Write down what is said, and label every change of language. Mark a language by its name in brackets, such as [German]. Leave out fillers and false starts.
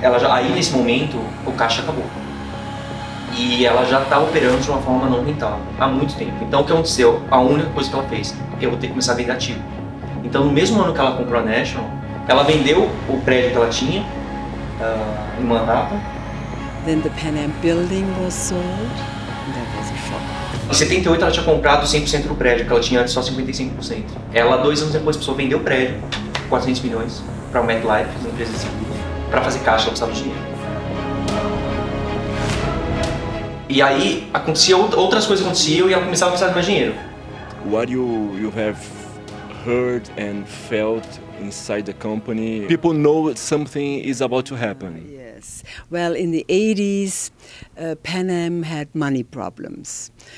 [Portuguese] Ela já, aí, nesse momento, o caixa acabou. E ela já está operando de uma forma não rentável há muito tempo. Então, o que aconteceu? A única coisa que ela fez: eu vou ter que começar a vender ativo. Então, no mesmo ano que ela comprou a National, ela vendeu o prédio que ela tinha em Manhattan. [English] Then the Pan Am building was sold. And that was a shock. [Portuguese] Em 78 ela tinha comprado 100% do prédio, que ela tinha antes só 55%. Ela, dois anos depois, precisou vender o prédio, 400 milhões, para o MetLife, uma empresa de seguro, para fazer caixa, ela precisava de dinheiro. E aí, outras coisas aconteciam e ela começava a precisar de mais dinheiro. [English] What you have heard and felt inside the company, people know something is about to happen. Yes. Well, in the 80s, Pan Am had money problems.